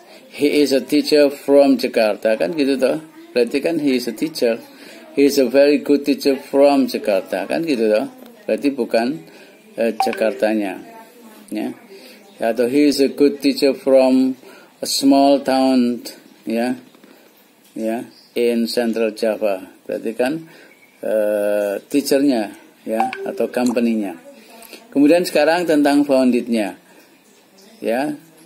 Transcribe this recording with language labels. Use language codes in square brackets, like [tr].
[en] He is a teacher from Jakarta, [id] kan gitu toh? Berarti kan [en] he is a teacher. He is a very good teacher from Jakarta, [id] kan gitu toh? Berarti bukan Jakartanya, ya. [en] Atau he is a good teacher from a small town, ya, ya, in Central Java. [id] Berarti kan teachernya, ya, atau company-nya. Kemudian sekarang tentang founded-nya, ya.